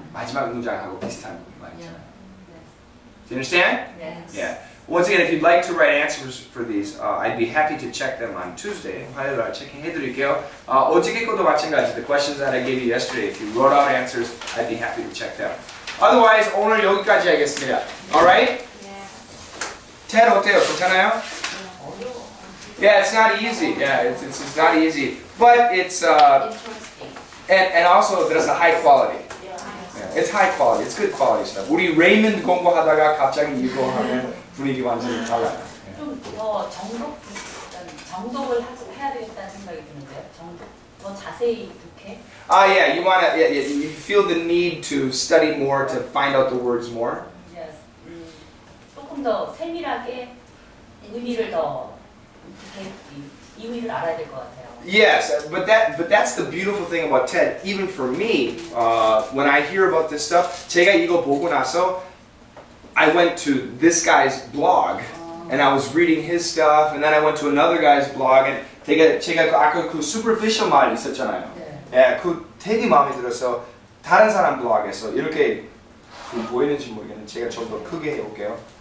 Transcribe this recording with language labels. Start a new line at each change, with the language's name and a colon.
Korean: 마지막 문장하고 비슷한 거.
English: Yeah. Do you understand? Yes. Yeah. Once again, if you'd like to write answers for these, I'd be happy to check them on Tuesday.
Korean: 화요일에 체크해드릴게요. 어저께 것도 마찬가지.
English: The questions that I gave you yesterday, if you wrote out answers, I'd be happy to check them. Otherwise,
Korean: 오늘 여기까지 하겠습니다.
English: Alright? Yeah.
Korean: 텐 어때요? 괜찮아요? 어려워.
English: Yeah, it's not easy. Yeah, it's not easy. But it's... interesting. And also, there's a high quality. Yeah, it's high quality. It's good quality stuff.
Korean: 우리 Raymond 공부하다가 갑자기 이거 하면 분위기 완전히 달라요. 좀 정독을 해야 되겠다는 생각이 드는데요. 더 자세히 독해?
English: You feel the need to study more, to find out the words more? Yes.
Korean: 조금 더 세밀하게 의미를 더 이해를 알아야 될 것 같아요.
English: Yes, but that's the beautiful thing about TED. Even for me, when I hear about this stuff,
Korean: 제가 이거 보고 나서,
English: I went to this guy's blog, and I was reading his stuff, and then I went to another guy's blog, and
Korean: 제가 아까 그 superficial 말 있었잖아요. 네. 예, 그 되게 마음에 들어서 다른 사람 블로그에서 이렇게 그 보이는지 모르겠는데 제가 좀 더 크게 해볼게요.